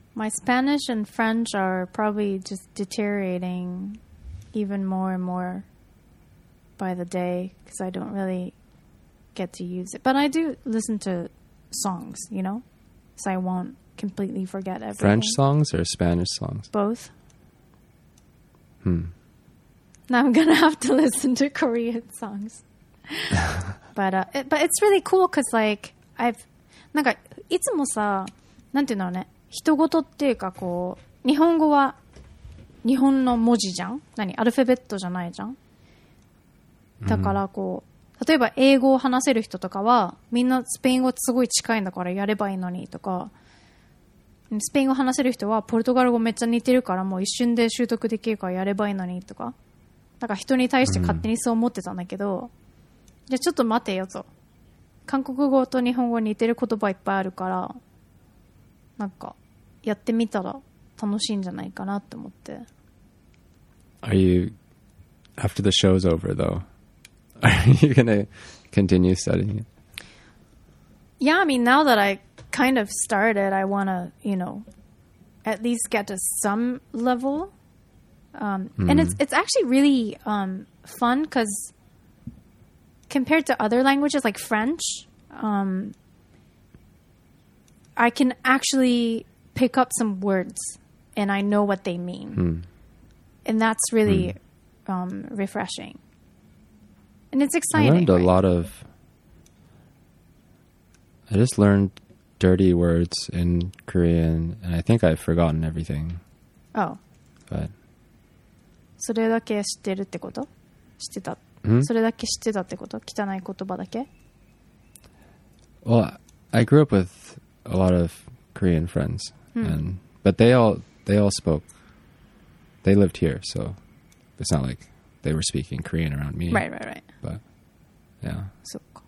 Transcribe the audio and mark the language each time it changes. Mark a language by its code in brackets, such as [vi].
[en] My Spanish and French are probably just deteriorating even more and more by the day because I don't really get to use it. But I do listen to songs, you know, so I won't completely forget everything. French songs or Spanish songs? Both. Hmm. Now I'm going to have to listen to Korean songs. But it's really cool because like I've [ja] なんかいつもさなんていうのね人事っていうかこう日本語は日本の文字じゃん何アルファベットじゃないじゃんだからこう例えば英語を話せる人とかはみんなスペイン語すごい近いんだからやればいいのにとかスペイン語話せる人はポルトガル語めっちゃ似てるからもう一瞬で習得できるからやればいいのにとかなんか人に対して勝手にそう思ってたんだけど。じゃあちょっと待てよと韓国語と日本語似てる言葉いっぱいあるからなんかやってみたら楽しいんじゃないかなって思って [en] Are you after the show's over though are you gonna continue studying it? Yeah, I mean now that I kind of started I wanna, you know at least get to some level and it's actually really fun becauseCompared to other languages like French, I can actually pick up some words and I know what they mean. Mm. And that's really refreshing. And it's exciting. I learned I just learned dirty words in Korean and I think I've forgotten everything. Oh. But. [ja] それだけ知ってるってこと? 知ってた?Hmm? それだけ知ってたってこと? 汚い言葉だけ? [en] Well, I grew up with a lot of Korean friends, but they all spoke. They lived here, so it's not like they were speaking Korean around me. Right, right, right. But, yeah. So.